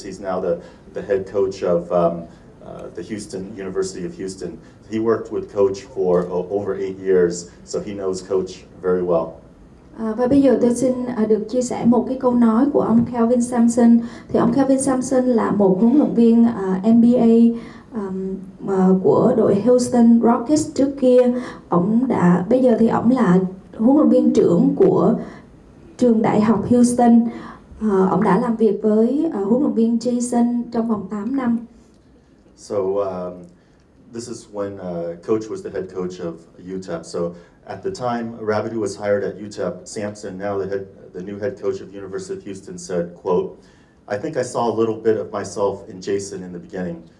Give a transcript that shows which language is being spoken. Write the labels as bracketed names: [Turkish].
[English] He's now the head coach of the Houston University of Houston. He worked with Coach for over 8 years, so he knows Coach very well. [Vietnamese] Và bây giờ tôi xin được chia sẻ một cái câu nói của ông Kelvin Sampson. Thì ông Kelvin Sampson là một huấn luyện viên NBA của đội Houston Rockets trước kia. Bây giờ thì ông là huấn luyện viên trưởng của trường đại học Houston. Ông đã làm việc với huấn luyện viên Jason trong vòng 8 năm. [English] So this is when Coach was the head coach of UTEP. So at the time Rabedeux was hired at UTEP, Sampson, now the new head coach of University of Houston, said, quote, "I think I saw a little bit of myself in Jason in the beginning.